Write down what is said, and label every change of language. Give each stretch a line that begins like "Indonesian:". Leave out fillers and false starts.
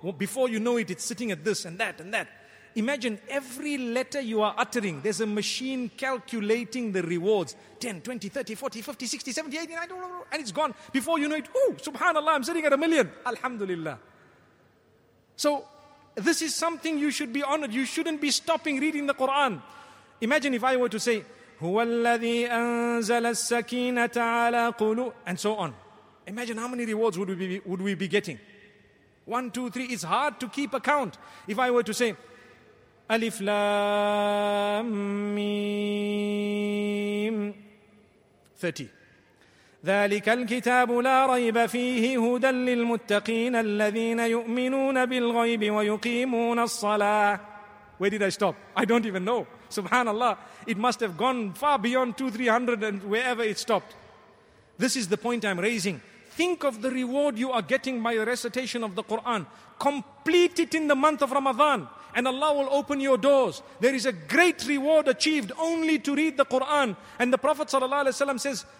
English: Before you know it, it's sitting at this and that and that. Imagine every letter you are uttering, there's a machine calculating the rewards. 10, 20, 30, 40, 50, 60, 70, 80, and it's gone. Before you know it, ooh, subhanallah, I'm sitting at a million. Alhamdulillah. So this is something you should be honored. You shouldn't be stopping reading the Quran. Imagine if I were to say,
Arabic: هو الذي أنزل السكينة على قلوب,
English: and so on. Imagine how many rewards would we be getting. 1, 2, 3. It's hard to keep account. If I were to say, Alif Lam Mim, 30.
Arabic: ذلك الكتاب لا ريب فيه هدى للمتقين الذين يؤمنون بالغيب ويقيمون الصلاة.
English: Where did I stop? I don't even know. Subhanallah. It must have gone far beyond 200-300 and wherever it stopped. This is the point I'm raising. Think of the reward you are getting by the recitation of the Quran. Complete it in the month of Ramadan and Allah will open your doors. There is a great reward achieved only to read the Quran. And the Prophet ﷺ says,